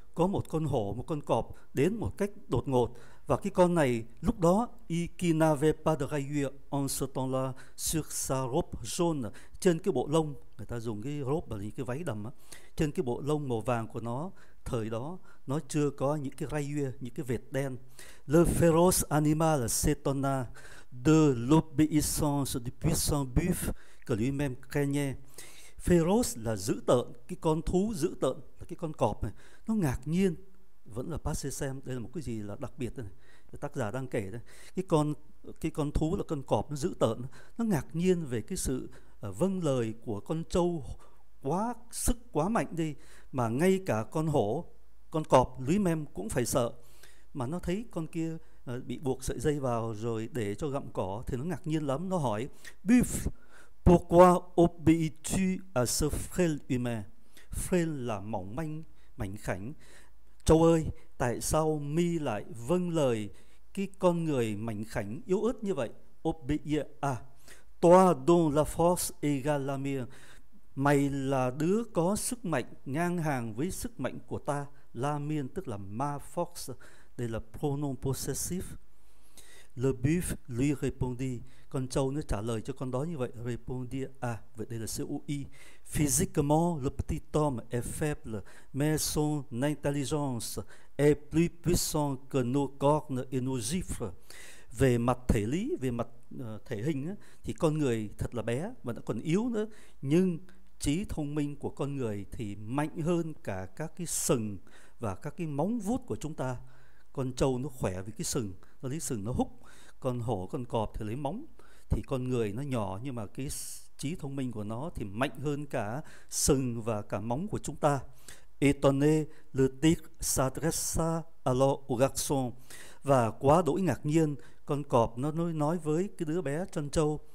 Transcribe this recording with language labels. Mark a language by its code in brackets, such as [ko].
[vi] Có một con hổ, một con cọp đến một cách đột ngột. Và cái con này lúc đó, y [fr] qui n'avait pas de rayures en ce temps-là sur sa robe jaune, [vi] trên cái bộ lông, người ta dùng cái robe là những cái váy đầm á, trên cái bộ lông màu vàng của nó, thời đó nó chưa có những cái rayures, những cái vệt đen. [fr] Le féroce animal s'étonna de l'obéissance du puissant buff que lui-même craignait. [vi] Féroce là dữ tợn, cái con thú dữ tợn là cái con cọp này, nó ngạc nhiên. Vẫn là passé simple, đây là một cái gì là đặc biệt này. Tác giả đang kể đây. Cái con thú là con cọp, nó dữ tợn, nó ngạc nhiên về cái sự vâng lời của con trâu quá sức, quá mạnh đi, mà ngay cả con hổ, con cọp lưới mem cũng phải sợ. Mà nó thấy con kia bị buộc sợi dây vào rồi để cho gặm cỏ thì nó ngạc nhiên lắm. Nó hỏi [fr] Buff, pourquoi obéis-tu à ce frêle humain? [vi] Frêle là mỏng manh, mảnh khảnh. Châu ơi, tại sao mi lại vâng lời cái con người mảnh khảnh yếu ớt như vậy? [fr] Obéis à, toi dont la force égale la mienne. [vi] Mày là đứa có sức mạnh ngang hàng với sức mạnh của ta. [fr] La mienne [vi] tức là [fr] ma force, [vi] đây là pronom possessif. [fr] Le buff lui répondit, [vi] con trâu nó trả lời cho con đó như vậy. Répondit à, vậy đây là COI. [fr] Physiquement le petit homme est faible, mais son intelligence est plus puissant que nos cornes et nos gifles. [vi] Về mặt thể lý, về mặt thể hình thì con người thật là bé và nó còn yếu nữa, nhưng trí thông minh của con người thì mạnh hơn cả các cái sừng và các cái móng vuốt của chúng ta. Con trâu nó khỏe vì cái sừng, nó lấy sừng nó húc. Con hổ, con cọp thì lấy móng. Thì con người nó nhỏ nhưng mà cái trí thông minh của nó thì mạnh hơn cả sừng và cả móng của chúng ta. [fr] Étonné, le tigre s'adressa alors au garçon. [vi] Và quá đỗi ngạc nhiên, con cọp nó nói với cái đứa bé chăn trâu.